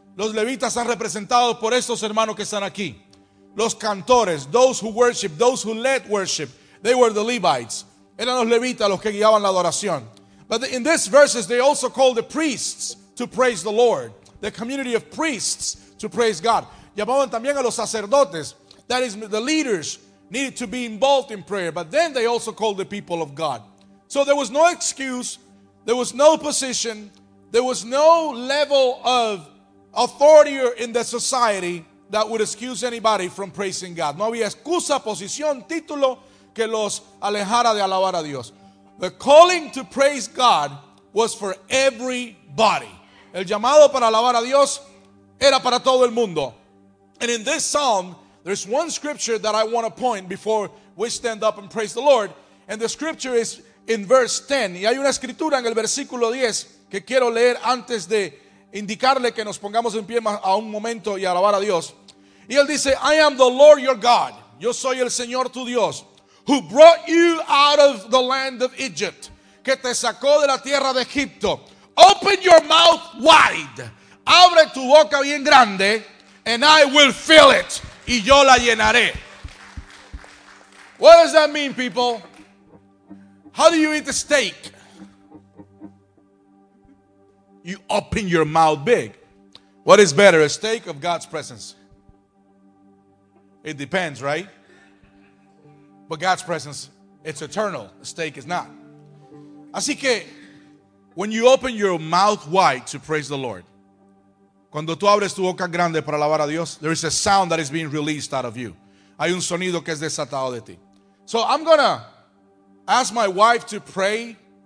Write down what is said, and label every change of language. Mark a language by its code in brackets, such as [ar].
[es] Los Levitas están representados por estos hermanos que están aquí. Los cantores, [en] those who worship, those who led worship. They were the Levites. [es] Eran los Levitas los que guiaban la adoración. [en] But in these verses, they also call the priests to praise the Lord. The community of priests to praise God. [es] Llamaban también a los sacerdotes. [en] That is, the leaders needed to be involved in prayer. But then they also called the people of God. So there was no excuse. There was no position. There was no level of authority in the society that would excuse anybody from praising God. [es] No había excusa, posición, título que los alejara de alabar a Dios. [en] The calling to praise God was for everybody. [es] El llamado para alabar a Dios era para todo el mundo. [en] And in this psalm, there's one scripture that I want to point before we stand up and praise the Lord. And the scripture is in verse 10. [es] Y hay una escritura en el versículo 10 que quiero leer antes de indicarle que nos pongamos en pie a un momento y alabar a Dios. Y él dice, [en] I am the Lord your God. [es] Yo soy el Señor tu Dios. [en] Who brought you out of the land of Egypt. [es] Que te sacó de la tierra de Egipto. [en] Open your mouth wide. [es] Abre tu boca bien grande. [en] And I will fill it. [es] Y yo la llenaré. [en] What does that mean, people? How do you eat a steak? You open your mouth big. What is better, a steak or God's presence? It depends, right? But God's presence, it's eternal. A steak is not. [es] Así que, [en] when you open your mouth wide to praise the Lord, [es] cuando tú abres tu boca grande para alabar a Dios, [en] there is a sound that is being released out of you. [es] Hay un sonido que es desatado de ti. [en] So I'm going to ask my wife to pray.